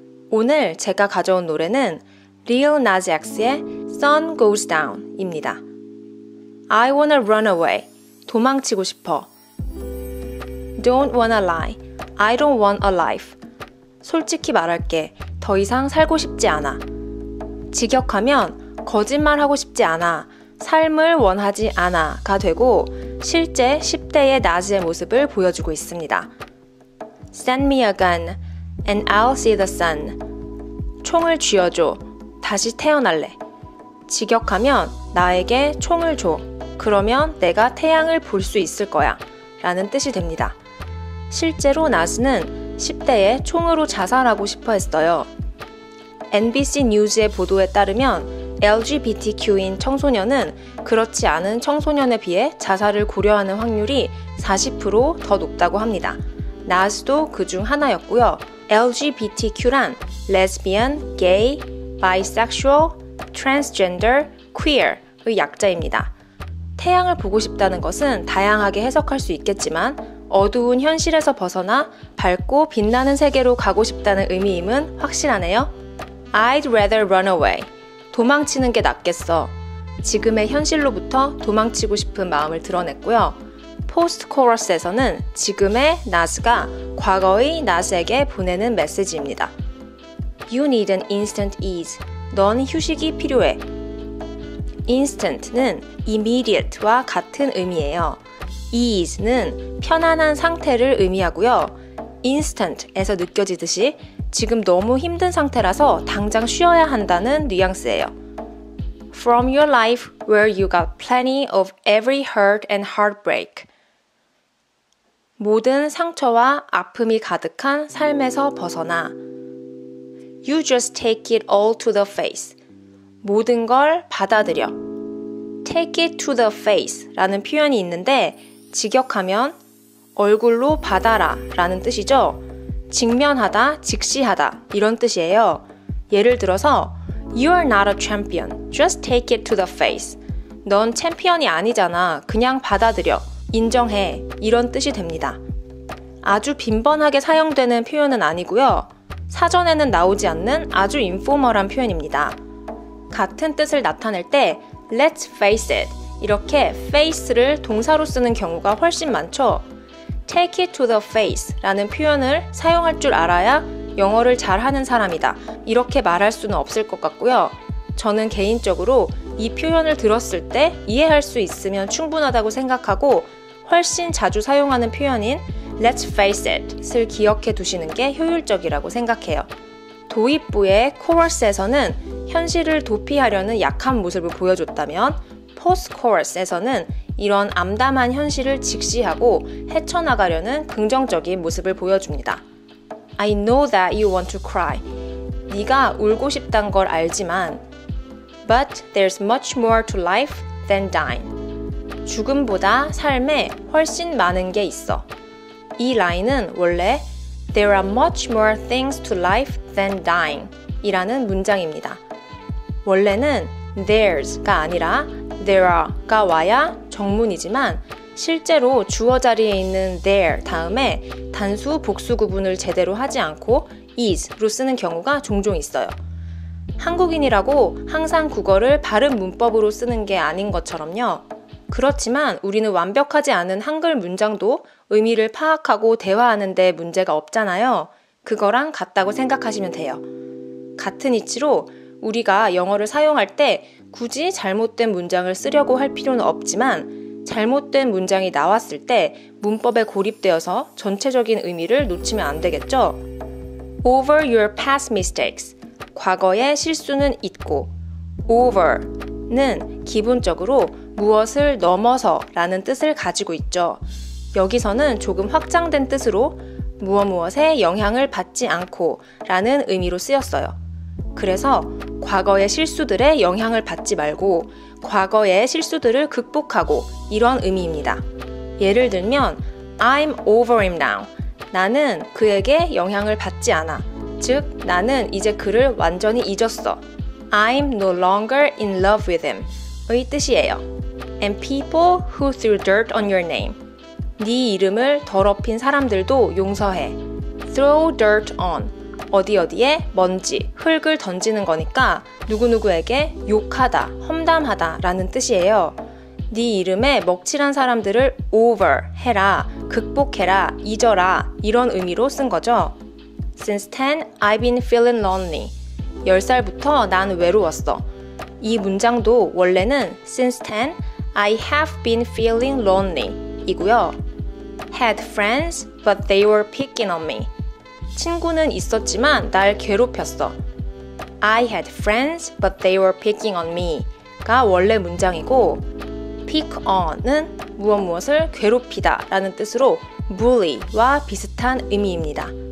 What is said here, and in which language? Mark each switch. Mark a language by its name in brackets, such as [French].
[Korean] 오늘 제가 가져온 노래는 Lil Nas X의 Sun Goes Down 입니다. [English] I wanna run away. [Korean] 도망치고 싶어. [English] Don't wanna lie. I don't want a life. [Korean] 솔직히 말할게. 더 이상 살고 싶지 않아. 직역하면 거짓말하고 싶지 않아. 삶을 원하지 않아. 가 되고 실제 10대의 나즈의 모습을 보여주고 있습니다. [English] Send me a gun and I'll see the sun. [Korean] 총을 쥐어줘. 다시 태어날래. 직역하면 나에게 총을 줘. 그러면 내가 태양을 볼 수 있을 거야. 라는 뜻이 됩니다. 실제로 나즈는 10대에 총으로 자살하고 싶어 했어요. NBC 뉴스의 보도에 따르면 LGBTQ인 청소년은 그렇지 않은 청소년에 비해 자살을 고려하는 확률이 40% 더 높다고 합니다. 나즈도 그 중 하나였고요. LGBTQ란 Lesbian, Gay, Bisexual, Transgender, Queer의 약자입니다. 태양을 보고 싶다는 것은 다양하게 해석할 수 있겠지만 어두운 현실에서 벗어나 밝고 빛나는 세계로 가고 싶다는 의미임은 확실하네요. [English] I'd rather run away. [Korean] 도망치는 게 낫겠어. 지금의 현실로부터 도망치고 싶은 마음을 드러냈고요. 포스트 코러스에서는 지금의 나즈가 과거의 나즈에게 보내는 메시지입니다. [English] You need an instant ease. [Korean] 넌 휴식이 필요해. Instant는 immediate와 같은 의미예요. Ease는 편안한 상태를 의미하고요. Instant에서 느껴지듯이 지금 너무 힘든 상태라서 당장 쉬어야 한다는 뉘앙스예요. [English] From your life where you got plenty of every hurt and heartbreak. [Korean] 모든 상처와 아픔이 가득한 삶에서 벗어나. [English] You just take it all to the face. [Korean] 모든 걸 받아들여. [English] Take it to the face [Korean] 라는 표현이 있는데 직역하면 얼굴로 받아라 라는 뜻이죠. 직면하다, 직시하다 이런 뜻이에요. 예를 들어서 [English] You are not a champion. Just take it to the face. [Korean] 넌 챔피언이 아니잖아. 그냥 받아들여. 인정해. 이런 뜻이 됩니다. 아주 빈번하게 사용되는 표현은 아니고요. 사전에는 나오지 않는 아주 인포멀한 표현입니다. 같은 뜻을 나타낼 때 [English] Let's face it. [Korean] 이렇게 face를 동사로 쓰는 경우가 훨씬 많죠. [English] Take it to the face [Korean] 라는 표현을 사용할 줄 알아야 영어를 잘하는 사람이다. 이렇게 말할 수는 없을 것 같고요. 저는 개인적으로 이 표현을 들었을 때 이해할 수 있으면 충분하다고 생각하고 훨씬 자주 사용하는 표현인 [English] Let's face it [Korean] 을 기억해 두시는 게 효율적이라고 생각해요. 도입부의 코러스에서는 현실을 도피하려는 약한 모습을 보여줬다면 포스트 코러스에서는 이런 암담한 현실을 직시하고 헤쳐나가려는 긍정적인 모습을 보여줍니다. [English] I know that you want to cry. [Korean] 네가 울고 싶단 걸 알지만 [English] But there's much more to life than dying. [Korean] 죽음보다 삶에 훨씬 많은 게 있어. 이 라인은 원래 [English] There are much more things to life than dying [Korean] 이라는 문장입니다. 원래는 there's가 아니라 there are가 와야 정문이지만 실제로 주어 자리에 있는 there 다음에 단수 복수 구분을 제대로 하지 않고 is로 쓰는 경우가 종종 있어요. 한국인이라고 항상 국어를 바른 문법으로 쓰는 게 아닌 것처럼요. 그렇지만 우리는 완벽하지 않은 한글 문장도 의미를 파악하고 대화하는 데 문제가 없잖아요. 그거랑 같다고 생각하시면 돼요. 같은 이치로 우리가 영어를 사용할 때 굳이 잘못된 문장을 쓰려고 할 필요는 없지만 잘못된 문장이 나왔을 때 문법에 고립되어서 전체적인 의미를 놓치면 안 되겠죠? [English] Over your past mistakes. [Korean] 과거의 실수는 잊고 Over는 기본적으로 무엇을 넘어서 라는 뜻을 가지고 있죠. 여기서는 조금 확장된 뜻으로 무엇무엇에 영향을 받지 않고 라는 의미로 쓰였어요. 그래서 과거의 실수들에 영향을 받지 말고 과거의 실수들을 극복하고 이런 의미입니다. 예를 들면 [English] I'm over him now. [Korean] 나는 그에게 영향을 받지 않아. 즉 나는 이제 그를 완전히 잊었어. [English] I'm no longer in love with him. [Korean] 의 뜻이에요. [English] And people who threw dirt on your name. [Korean] 네 이름을 더럽힌 사람들도 용서해. [English] throw dirt on. [Korean] 어디 어디에 먼지, 흙을 던지는 거니까 누구누구에게 욕하다, 험담하다 라는 뜻이에요. 네 이름에 먹칠한 사람들을 over 해라, 극복해라, 잊어라 이런 의미로 쓴 거죠. [English] Since 10, I've been feeling lonely. [Korean] 10살부터 난 외로웠어. 이 문장도 원래는 [English] Since 10, I have been feeling lonely [Korean] 이고요. [English] Had friends, but they were picking on me. [Korean] 친구는 있었지만 날 괴롭혔어. [English] I had friends, but they were picking on me [Korean] 가 원래 문장이고 pick on은 무엇 무엇을 괴롭히다 라는 뜻으로 bully와 비슷한 의미입니다.